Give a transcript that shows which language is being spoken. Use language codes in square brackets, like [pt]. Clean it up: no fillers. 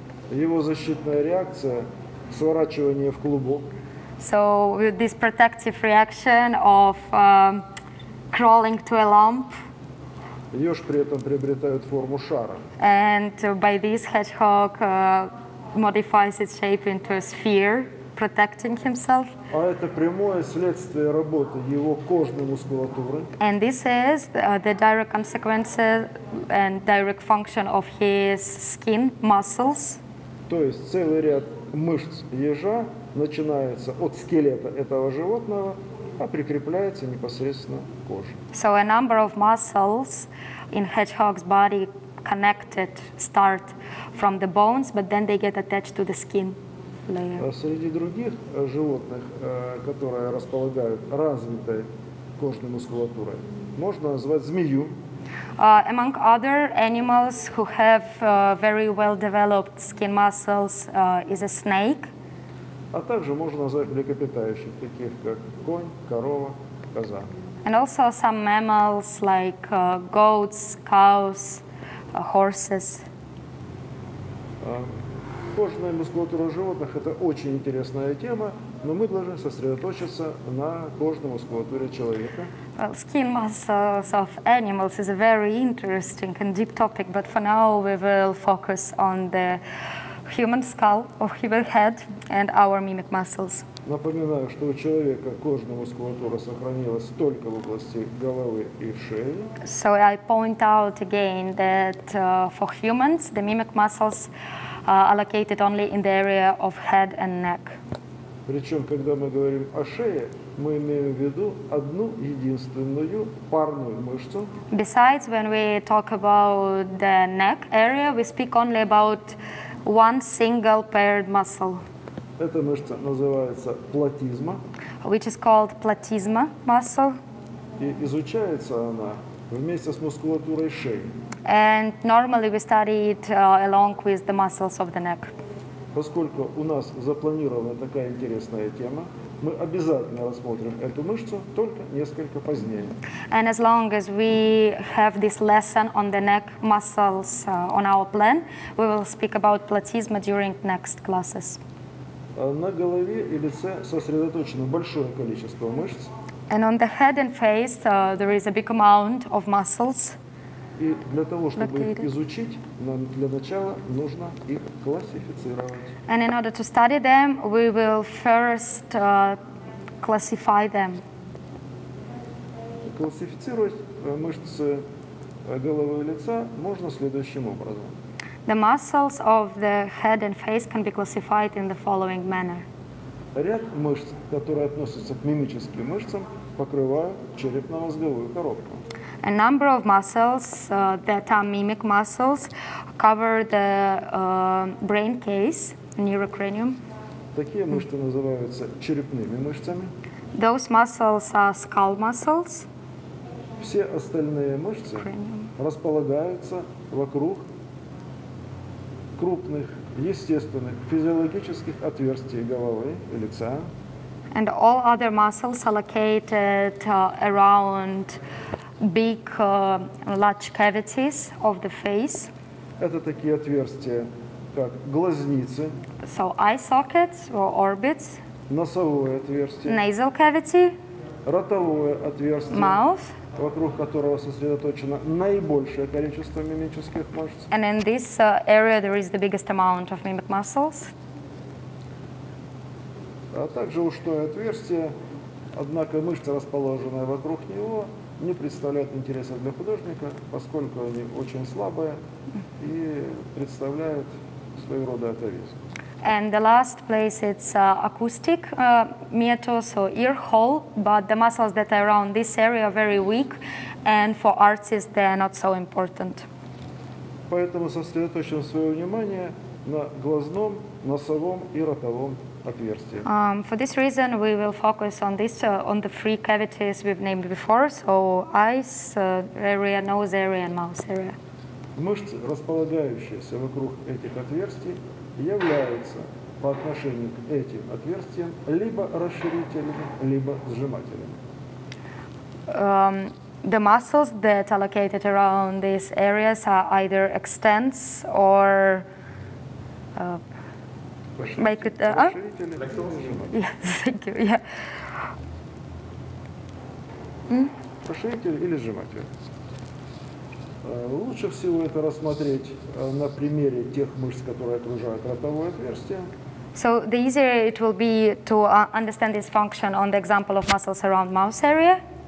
[ru] Его защитная реакция – сворачивание в клубок. [en] So with this protective reaction of crawling to a lump. [ru] Еж при этом приобретает форму шара. [en] And by this hedgehog modifies its shape into a sphere, protecting himself. [ru] А это прямое следствие работы его кожной мускулатуры. [en] And this is the direct consequence and direct function of his skin muscles. [ru] То есть целый ряд мышц ежа начинается от скелета этого животного, а прикрепляется непосредственно к коже. [en] So a number of muscles in hedgehog's body connected start from the bones, but then they get attached to the skin layer. [ru] Среди других животных, которые располагают развитой кожной мускулатурой, можно назвать змею. [en] Among other animals who have very well-developed skin muscles is a snake. [ru] А также можно назвать млекопитающих, таких как конь, корова, коза. [en] And also some mammals like goats, cows, horses. [ru] Кожная мускулатура животных – это очень интересная тема, но мы должны сосредоточиться на кожной мускулатуре человека. [en] Well, skin muscles of animals is a very interesting and deep topic, but for now we will focus on the human skull or human head and our mimic muscles. [ru] Напоминаю, что у человека кожная мускулатура сохранилась только в области головы и шеи. [en] So I point out again that for humans the mimic muscles are located only in the area of head and neck. [ru] Причем, когда мы говорим о шее, мы имеем в виду одну единственную парную мышцу. [en] Besides, when we talk about the neck area, we speak only about one single paired muscle. [ru] Эта мышца называется платизма. [en] Which is called platysma muscle. [ru] И изучается она вместе с мускулатурой шеи. [en] And normally we study it along with the muscles of the neck. [ru] Поскольку у нас запланирована такая интересная тема, мы обязательно рассмотрим эту мышцу, только несколько позднее. [en] And as long as we have this lesson on the neck muscles on our plan, we will speak about platysma during next classes. [ru] На голове и лице сосредоточено большое количество мышц. [en] And on the head and face, there is a big amount of muscles. [ru] И для того, чтобы их изучить, нам для начала нужно их классифицировать. [en] And in order to study them, we will first classify them. [ru] Классифицировать мышцы головы и лица можно следующим образом. [en] The muscles of the head and face can be classified in the following manner. [ru] Ряд мышц, которые относятся к мимическим мышцам, покрывают черепно-мозговую коробку. [en] A number of muscles that are mimic muscles cover the brain case, neurocranium. [ru] Такие мышцы называются черепными мышцами. [en] Those muscles are skull muscles. [ru] Все остальные мышцы cranium. Располагаются вокруг крупных естественных физиологических отверстий головы и лица. [en] And all other muscles are located around big large cavities of the face. [ru] Это такие отверстия, как глазницы. [en] So eye sockets or orbits. [ru] Носовое отверстие. [en] Nasal cavity. [ru] Ротовое отверстие. [en] Mouth. [ru] Вокруг которого сосредоточено наибольшее количество мимических мышц. [en] And in this area there is the biggest amount of mimic muscles. [ru] А также ушное отверстие, однако мышцы, расположенные вокруг него, не представляют интереса для художника, поскольку они очень слабые и представляют своего рода атовизм. [en] And the last place it's acoustic meatus or ear hole, but the muscles that are around this area are very weak, and for artists they are not so important. [ru] Поэтому сосредоточим свое внимание на глазном, носовом и ротовом отверстиях. [en] For this reason, we will focus on this on the three cavities we've named before, so eyes area, nose area, and mouth area. [ru] Мышцы, располагающиеся вокруг этих отверстий, являются по отношению к этим отверстиям либо расширителями, либо сжимателями. [en] The muscles that are located around these areas are either extends or make it Yes, thank you. Yeah. [ru] Расширитель или сжиматель. Лучше всего это рассмотреть на примере тех мышц, которые окружают ротовое отверстие. [en] So the easier it will be to understand this function on the example of muscles around mouth area.